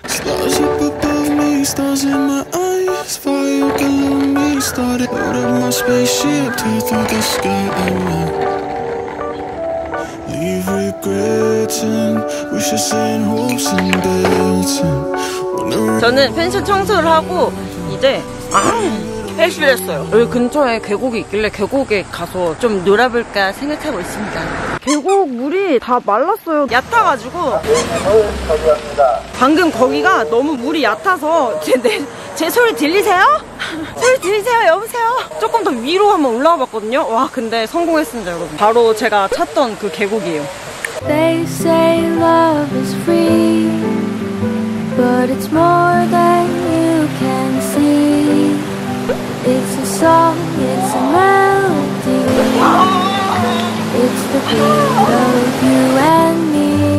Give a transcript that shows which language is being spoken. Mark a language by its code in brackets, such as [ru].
[en] Stars up above me, stars in my eyes, fire below me, started out of my spaceship, tear through the sky and land. Leave regrets and wishes and hopes and dancing. [ko] 저는 펜션 청소를 하고 이제 회식을 했어요. 여기 근처에 계곡이 있길래 계곡에 가서 좀 놀아볼까 생각하고 있습니다. 계곡 물이 다 말랐어요. 얕아가지고. 방금 거기가 너무 물이 얕아서 제 소리 들리세요? 소리 들리세요? 여보세요? 조금 더 위로 한번 올라와 봤거든요. 와, 근데 성공했습니다, 여러분. 바로 제가 찾던 그 계곡이에요. [en] They say love is free, but it's more than you can see. It's a song, it's a melody. It's the beat of you and me.